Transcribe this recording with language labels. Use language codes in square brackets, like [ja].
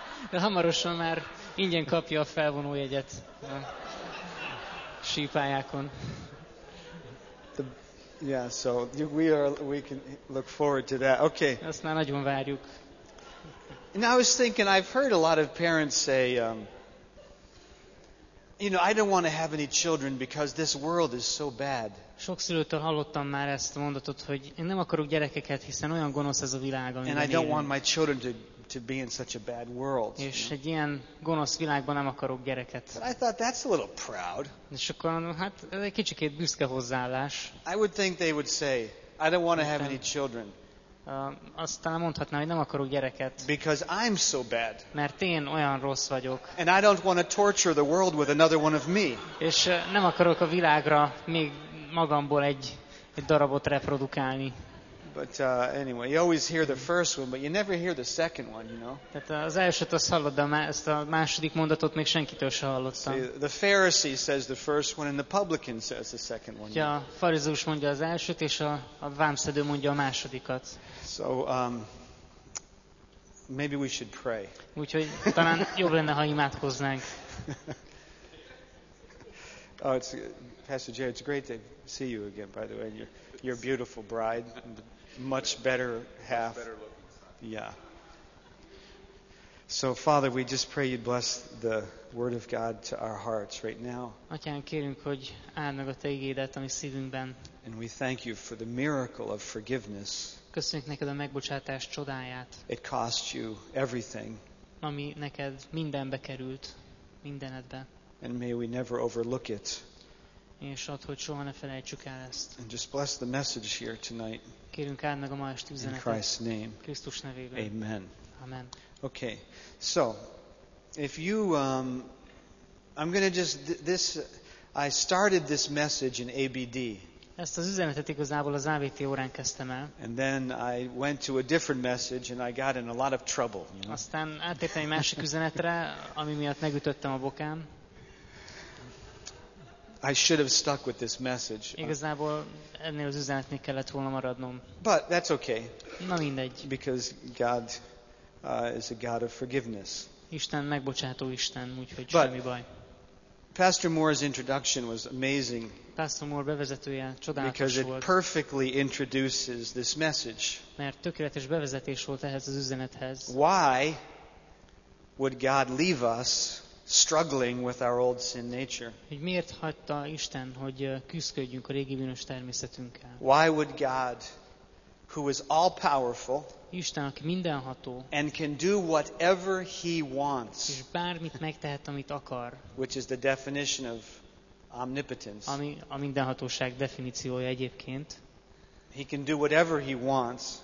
[hu] De hamarosan már ingyen kapja a felvonó jegyet a sípályákon. [en] Yeah, so we can look forward to that. Okay. [hu] Azt már nagyon várjuk. [en] And I was thinking, I've heard a lot of parents say, you know, I don't want to have any children because this world is so bad. [hu] Sok szülőtől hallottam már ezt a mondatot, hogy én nem akarok gyerekeket, hiszen olyan gonosz ez a világ, amiben élünk. [en] And I don't want my children to be in such a bad world. [hu] És egy ilyen gonosz világban nem akarok gyereket. [en] But I thought that's a little proud. [hu] És akkor, hát ez egy kicsikét büszke hozzáállás. [en] I would think they would say, I don't want to have any children. [hu] Aztán mondhatná, hogy nem akarok gyereket. [en] Because I'm so bad. [hu] Mert én olyan rossz vagyok. [en] And I don't want to torture the world with another one of me. [hu] És nem akarok a világra még magamból egy darabot reprodukálni. [en] But anyway, you always hear the first one, but you never hear the second one, you know. [hu] Tehát az elsőt azt hallod, de ezt a második mondatot még senkitől sem hallottam. [en] See, the Pharisee says the first one, and the publican says the second one. [hu] Ja, farizeus mondja az elsőt, és a vámszedő mondja a másodikat. [en] So maybe we should pray. [hu] Úgyhogy talán jobb lenne, ha imádkoznánk. [en] Oh, it's Pastor Jerry. It's great to see you again, by the way. And your beautiful bride, much better half. Much better looking. Yeah. So, Father, we just pray you'd bless the Word of God to our hearts right now. [hu] Atyám, kérünk, hogy áld meg a te igédet a mi szívünkben. [en] And we thank you for the miracle of forgiveness. [hu] Köszönjük neked a megbocsátás csodáját. [en] It cost you everything. [hu] Ami neked mindenbe került, mindenedbe. [en] And may we never overlook it. [hu] És ott, hogy soha ne felejtsük el ezt. [en] And just bless the message here tonight. [hu] Kérünk áld meg a ma esti üzenetet. [en] In Christ's name. [hu] Krisztus nevében. [en] Amen. Amen. Okay. So, if you, I'm going to just this. I started this message in ABD. [hu] Ezt az üzenetet igazából az ABT órán kezdtem el. [en] And then I went to a different message, and I got in a lot of trouble. You know? [hu] Aztán átértem egy másik üzenetre, ami miatt megütöttem a bokám. [en] I should have stuck with this message. [hu] Igazából ennél az üzenetnél kellett volna maradnom. [en] But that's okay. [hu] Na mindegy. [en] Because God is a God of forgiveness. [hu] Isten megbocsátó Isten, úgyhogy semmi baj. [en] Pastor Moore's introduction was amazing. [hu] Pastor Moore bevezetője csodálatos volt. [en] Because it perfectly introduces this message. [hu] Mert tökéletes bevezetés volt ehhez az üzenethez. [en] Why would God leave us struggling with our old sin nature? [hu] Hogy miért hagyta Isten, hogy küzdködjünk a régi bűnös természetünkkel? [en] Why would God, who is all powerful, [hu] Isten, aki mindenható, [en] and can do whatever he wants, [hu] és bármit megtehet, amit akar, [en] which is the definition of omnipotence, [hu] ami a mindenhatóság definíciója egyébként, [en] he can do whatever he wants,